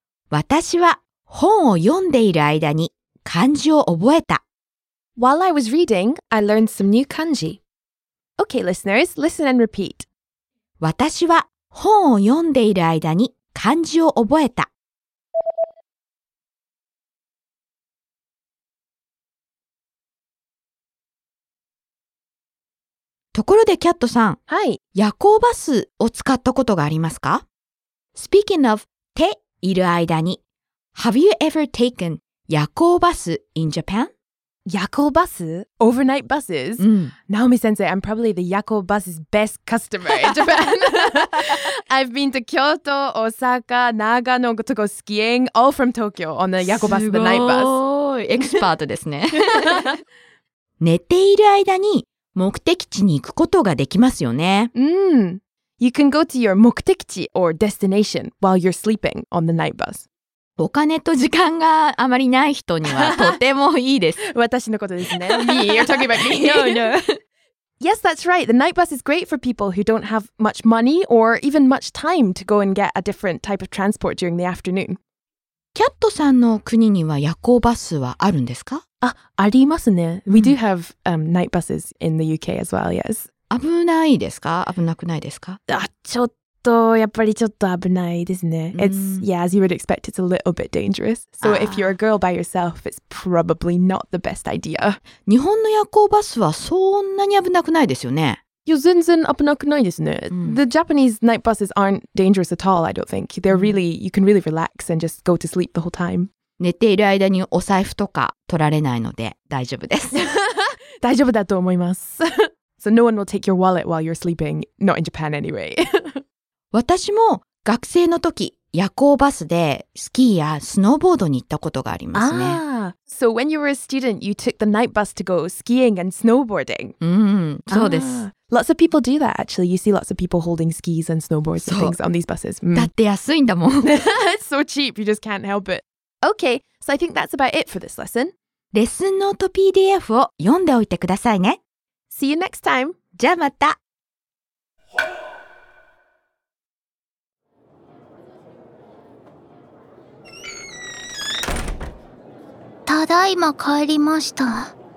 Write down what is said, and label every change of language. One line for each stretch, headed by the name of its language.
Japanese: 私は本を読んでいる間に漢字を覚えた。
English: While I was reading, I learned some new kanji. Okay, listeners, listen and repeat.
Japanese: 私は本を読んでいる間に漢字を覚えた。ところでキャットさん、はい、夜行バスを使ったことがありますか?
English: Speaking of,
Japanese: 手いる間に、
English: Have you ever taken 夜行バス in Japan? 夜行バス?Overnight buses?、
Japanese: うん、
English: Naomi-sensei, I'm probably the 夜行バス best customer in Japan. I've been to Kyoto, Osaka, Nagano to go skiing, all from Tokyo on the 夜行バス, the night bus.
Japanese: すごい、エクスパートですね。寝ている間に、目的地に行くことができますよね。
English: うん。You can go to your 目的地 or destination while you're sleeping on the night bus.
Japanese: お金と時間があまりない人にはとてもいいです。私のことですね。
English: Me, you're talking about me. No, no. Yes, that's right. The night bus is great for people who don't have much money or even much time to go and get a different type of transport during the afternoon.
Japanese: キャットさんの国には夜行バスはあるんですか? あ、ありますね。
English: We do have、night buses in the UK as well, yes.
Japanese: 危ないですか?危なくないですか? あ、ちょっと、やっぱりちょっと危ないですね。
English: It's, yeah, as you would expect, it's a little bit dangerous. So if you're a girl by yourself, it's probably not the best idea.
Japanese: 日本の夜行バスはそんなに危なくないですよね。いや、全然危なくないですね。
English: The Japanese night buses aren't dangerous at all, I don't think. They're really, you can really relax and just go to sleep the whole time.
Japanese: 寝ている間にお財布とか取られないので大丈夫です。大丈夫だと思います。
English: So no one will take your wallet while you're sleeping, not in Japan anyway.
Japanese: 私も学生の時、夜行バスでスキーやスノーボードに行ったことがありますね。
English: So when you were a student, you took the night bus to go skiing and snowboarding.
Japanese: そうです。
English: Lots of people do that, actually. You see lots of people holding skis and snowboards and things on these buses.
Japanese: だって安いんだもん。
English: It's so cheap, you just can't help it. Okay, so I think that's about it for this lesson.
Japanese: レッスンノート PDF を読んでおいてくださいね。
English: See you next time.
Japanese: じゃあまた。ただいま帰りました。